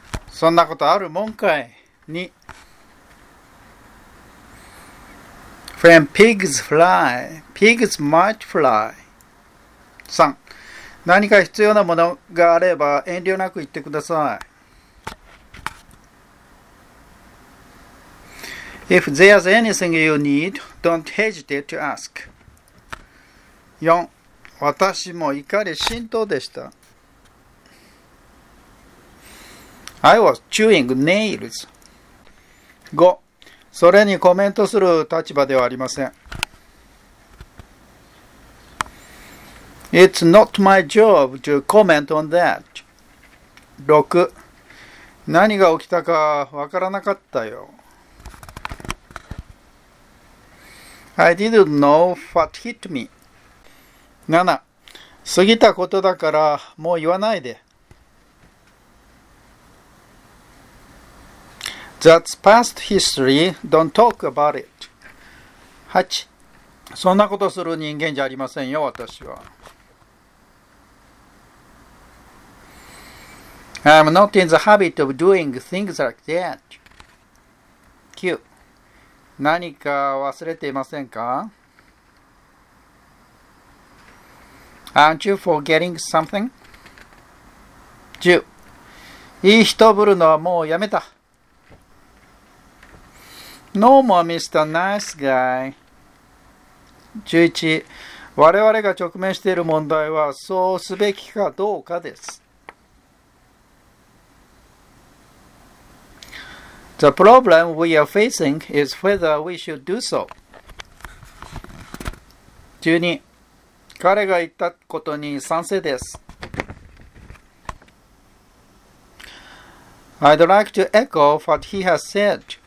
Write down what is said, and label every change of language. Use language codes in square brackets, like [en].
[ja] そんなことあるもんかい。 [en] 二、When pigs fly, pigs might fly. [ja] 三、何か必要なものがあれば遠慮なく言ってください。 [en] If there's anything you need, don't hesitate to ask. [ja] 四、私も怒り心頭でした。 [en] I was chewing nails. [ja] 五、それにコメントする立場ではありません。 [en] It's not my job to comment on that. [ja] 六、何が起きたかわからなかったよ。 [en] I didn't know what hit me. 7. [ja] 過ぎたことだからもう言わないで。 [en] That's past history. Don't talk about it. 8. [ja] そんなことする人間じゃありませんよ、私は。 [en] I'm not in the habit of doing things like that. 9. [ja] 何か忘れていませんか? [en] Aren't you forgetting something? [ja] 10. いい人ぶるのはもうやめた。 [en] No more Mr. Nice Guy. 11. [ja] 我々が直面している問題はそうすべきかどうかです。 [en] The problem we are facing is whether we should do so. 12. [ja] 彼が言ったことに賛成です。 [en] I'd like to echo what he has said.